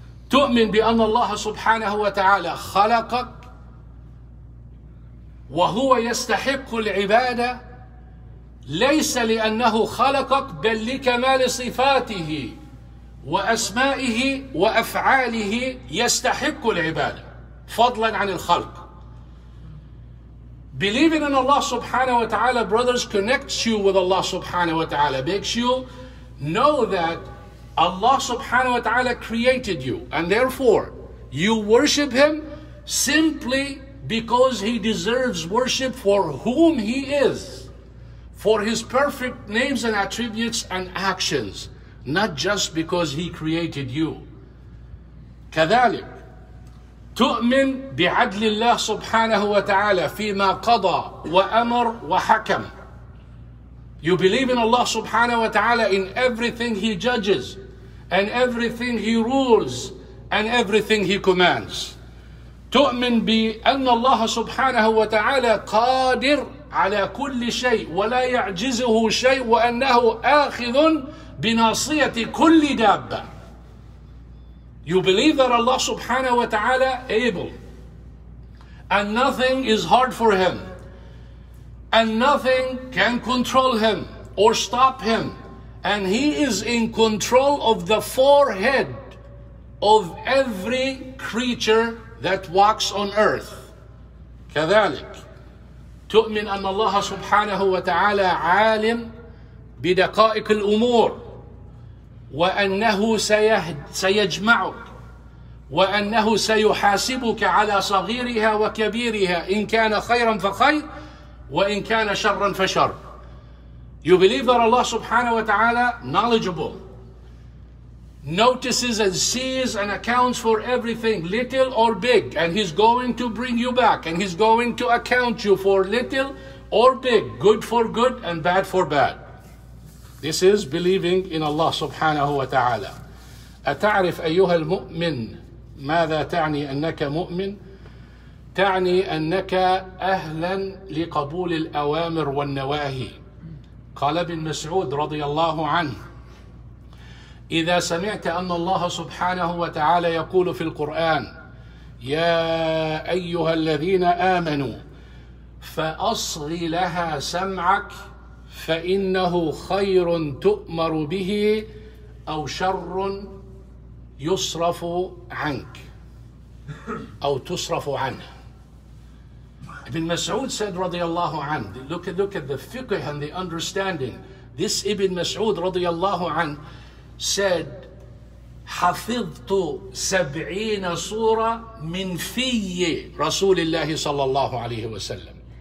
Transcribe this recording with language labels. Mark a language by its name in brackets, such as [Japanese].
[Arabic] تؤمن بأن الله سبحانه وتعالى خلقك وهو يستحق العبادة ليس لأنه خلقك بل لكمال صفاته وأسمائه وأفعاله يستحق العبادة فضلا عن الخلق. [English] Believing in Allah subhanahu wa ta'ala, brothers, connects you with Allah subhanahu wa ta'ala, makes you know that Allah subhanahu wa ta'ala created you, and therefore you worship Him simply because He deserves worship for whom He is, for His perfect names and attributes and actions, not just because He created you. [Arabic] كذلك تؤمن بعدل الله سبحانه وتعالى فيما قضى وأمر وحكم. [English] You believe in Allah subhanahu wa ta'ala in everything He judges and everything He rules and everything He commands. [Arabic] تؤمن بأن الله سبحانه وتعالى قادر على كل شيء ولا يعجزه شيء وأنه آخذ بناصية كل دابة. [English] You believe that Allah subhanahu wa ta'ala able, and nothing is hard for Him, and nothing can control Him or stop Him, and He is in control of the forehead of every creature that walks on earth. [Arabic] كذلك تؤمن أن الله سبحانه وتعالى عالم بدقائق الأمور وأنه سيجمعك وأنه سيحاسبك على صغيرها وكبيرها إن كان خيرا فخير وإن كان شرا فشر. [English] You believe that Allah subhanahu wa ta'ala knowledgeable, notices and sees and accounts for everything, little or big, and He's going to bring you back, and He's going to account you for little or big, good for good and bad for bad. This is believing in Allah subhanahu wa ta'ala. [Arabic] أتعرف أيها المؤمن ماذا تعني أنك مؤمن؟ تعني أنك أهلا لقبول الأوامر والنواهي. قال ابن مسعود رضي الله عنه: إذا سمعت أن الله سبحانه وتعالى يقول في القرآن: يا أيها الذين آمنوا فأصغ لها سمعك فإنه خير تؤمر به أو شر يصرف عنك أو تصرف عنه. [English] Ibn Mas'ud said radiyallahu anhu, look at the fiqh and the understanding. This Ibn Mas'ud radiyallahu anhu said, [Arabic] حَفِظْتُ سَبْعِينَ سُورَ مِنْ فِيِّ رَسُولِ اللَّهِ صَلَّى اللَّهُ عَلَيْهِ وَسَلَّمْ.